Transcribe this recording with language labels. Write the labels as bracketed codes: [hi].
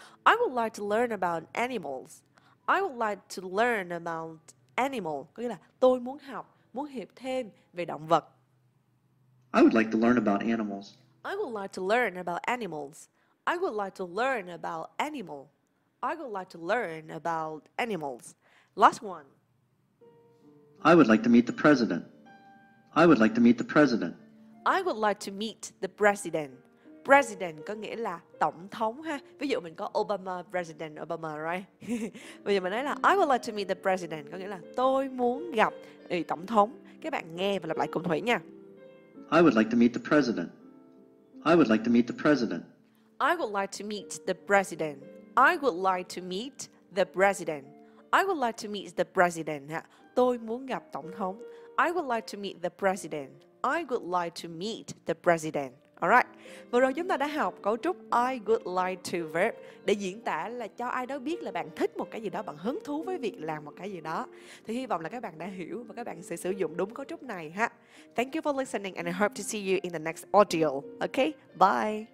[en] I would like to learn about animals. I would like to learn about animals. [vi] Có nghĩa là tôi muốn học, muốn hiểu thêm về động vật. [en] I would like to learn about animals. I would like to learn about animals. I would like to learn about animals. I would like to learn about animals. Last one. I would like to meet the president. I would like to meet the president. I would like to meet the president. [vi] President có nghĩa là tổng thống ha. Ví dụ mình có Obama, President Obama, right? Bây giờ mình nói là [en] I would like to meet the president [vi] có nghĩa là tôi muốn gặp tổng thống. Các bạn nghe và lặp lại cùng Thủy nha. [en] I would like to meet the president. I would like to meet the president. I would like to meet the president. I would like to meet the president. I would like to meet the president. [vi] Tôi muốn gặp tổng thống. [en] I would like to meet the president. I would like to meet the president. [vi] Alright, vừa rồi chúng ta đã học cấu trúc [en] I would like to verb [vi] để diễn tả là cho ai đó biết là bạn thích một cái gì đó, bạn hứng thú với việc làm một cái gì đó. Thì hy vọng là các bạn đã hiểu và các bạn sẽ sử dụng đúng cấu trúc này ha. [en] Thank you for listening and I hope to see you in the next audio. Okay, bye.